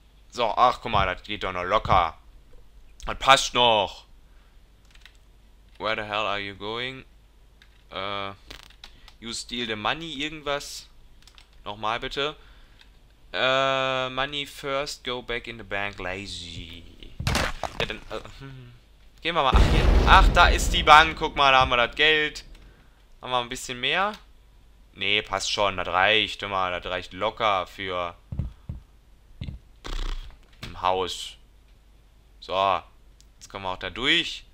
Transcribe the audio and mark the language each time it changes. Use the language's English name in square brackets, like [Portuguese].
[German] So, ach, guck mal, das geht doch noch locker. Das passt noch. [English] Where the hell are you going? You steal the money, [German] irgendwas. Nochmal bitte. [English] Money first, go back in the bank, lazy. [German] Ja, dann, gehen wir mal. Ach, hier. Ach, da ist die Bank. Guck mal, da haben wir das Geld. Haben wir ein bisschen mehr? Nee, passt schon. Das reicht. Guck mal, das reicht locker für ein Haus. So. Jetzt kommen wir auch da durch.